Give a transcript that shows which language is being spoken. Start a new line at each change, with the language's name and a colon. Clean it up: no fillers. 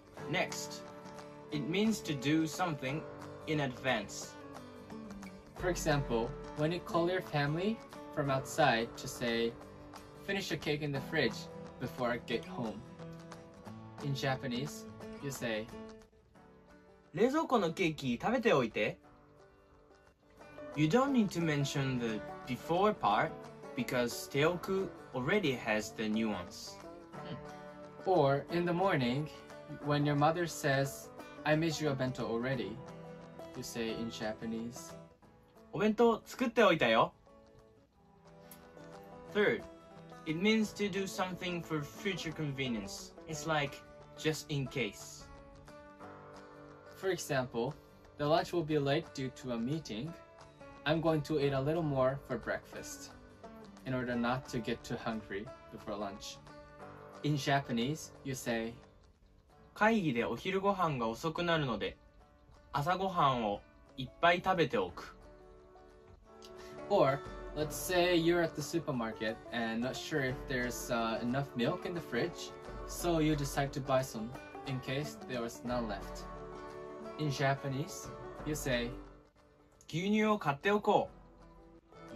English: Next, it means to do something in advance. For example, when you call your family from outside to say, finish a cake in the fridge before I get home. In Japanese, you say,
Japanese: 冷蔵庫のケーキ食べておいて。
English: You don't need to mention the before part because 手置く already has the nuance. Or in the morning,When your mother says, I made you a bento already, you say in Japanese,
Japanese: お弁当作っておいたよ。
English: Third, it means to do something for future convenience. It's like, just in case. For example, the lunch will be late due to a meeting. I'm going to eat a little more for breakfast, in order not to get too hungry before lunch. In Japanese, you say,
Japanese: 会議でお昼ご飯が遅くなるので、朝ご飯をいっぱい食べておく。
English: Or, let's say you're at the supermarket and not sure if there's、enough milk in the fridge, so you decide to buy some in case there was none left. In Japanese, you say,
Japanese: 牛乳を買っておこう。